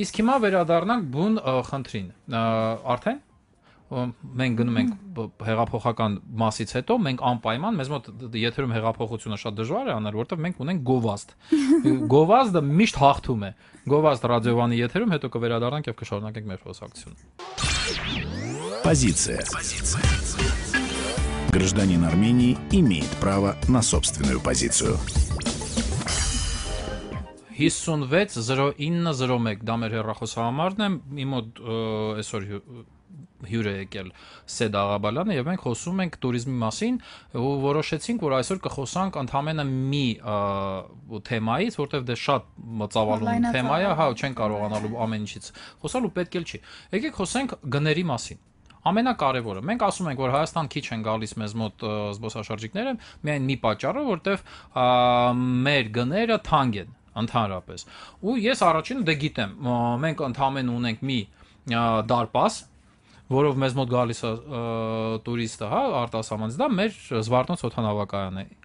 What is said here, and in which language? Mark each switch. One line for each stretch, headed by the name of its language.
Armenian: Իսկ հիմա վերադառնանք բուն խնդրին։ Արդեն մենք գնում ենք հեղափոխական մասից հետո, մենք անպայման, մեզ մոտ եթերում հեղափոխությունը շատ դժվար է անել, որովհետև մենք ունենք գովազդ։ Գովազդը միշտ հաղթում է։ Գովազդ ռադիովանի եթերում, հետո կվերադառնանք եւ կշարունակենք մեր խոսակցությունը։
Russian: Позиция. Гражданин Армении имеет право на собственную позицию.
Armenian: 560901 դա մեր հեռախոսահամարն է, մի մոտ այսօր հյուրը եկել Սեդ Աղաբալյանը եւ մենք խոսում ենք туриզմի մասին ու որոշեցինք, որ այսօր կխոսանք ընդհանրապես մի թեմայից, որտեղ դե շատ ծավալուն թեմա է, հա, չեն կարողանալու ամեն ինչից խոսալ ու պետք էլ չի։ Եկեք խոսենք գների մասին։ Ամենակարևորը, մենք ասում ենք, որ Հայաստան քիչ են գալիս մեզ մոտ զբոսաշրջիկները, միայն մի պատճառով, որտեղ մեր գները թանկ են ընդհանրապես։ Ու ես առաջինը դե գիտեմ, մենք ընդհանրապես ունենք մի դարպաս, որով մեզ մոտ գալիս է տուրիստը, հա, արտասահմանից, դա մեր Զվարթնոց օդանավակայան է,